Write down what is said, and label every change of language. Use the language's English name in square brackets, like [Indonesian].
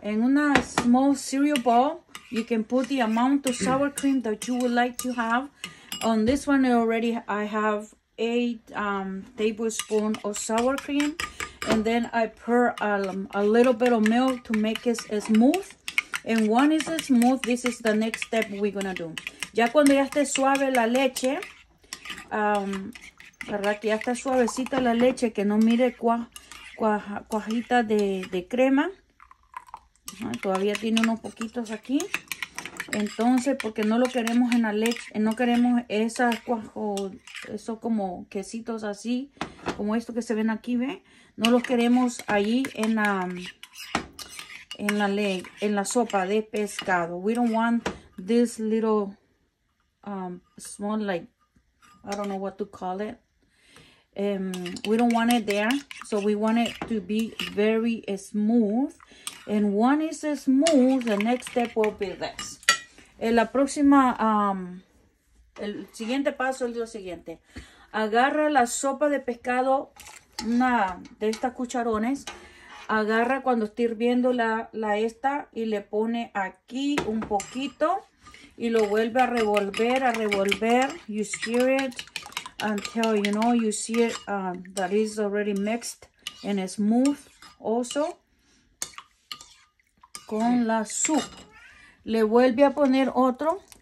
[Spanish] En una [English] small cereal bowl, you can put the amount of sour cream that you would like to have. On this one, already I have 8 tablespoons of sour cream. And then I pour a little bit of milk to make it smooth. And one is smooth, this is the next step we're gonna do. [Spanish] Ya cuando ya esté suave la leche, ¿verdad? Que ya está suavecita la leche, que no mire cuajita de crema. Ajá, todavía tiene unos poquitos aquí. Entonces, porque no lo queremos en la leche, no queremos esas esos como quesitos así, como esto que se ven aquí, ¿ve? No los queremos ahí en la sopa de pescado. [English] We don't want this little small, like, I don't know what to call it. We don't want it there, so we want it to be very smooth. And one is smooth, the next step will be this. [Spanish] El siguiente paso es lo siguiente. Agarra la sopa de pescado, una de estas cucharones. Agarra cuando esté hirviendo esta y le pone aquí un poquito y lo vuelve a revolver. [English] You stir it until you know you see it that is already mixed and smooth also [Spanish] con la [English] soup. [Spanish] Le vuelve a poner otro.